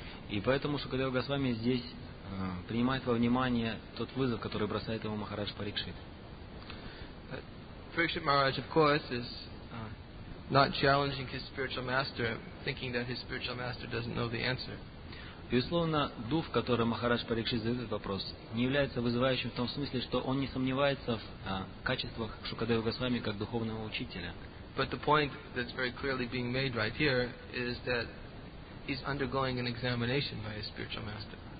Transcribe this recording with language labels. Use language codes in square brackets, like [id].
[ru] И поэтому Сукадева Госвами здесь принимает во внимание тот вызов, который бросает ему Махарадж Парикшит. [en] Parikshit Maharaj, of course, is not challenging his spiritual master, thinking that his spiritual master doesn't know the answer. [ru] Безусловно, дух, который Махарадж Парикшит задает этот вопрос, не является вызывающим в том смысле, что он не сомневается в качествах Шукадева Госвами как духовного учителя. [en] But the point that's very clearly being made right here is that he's undergoing an examination by his spiritual master.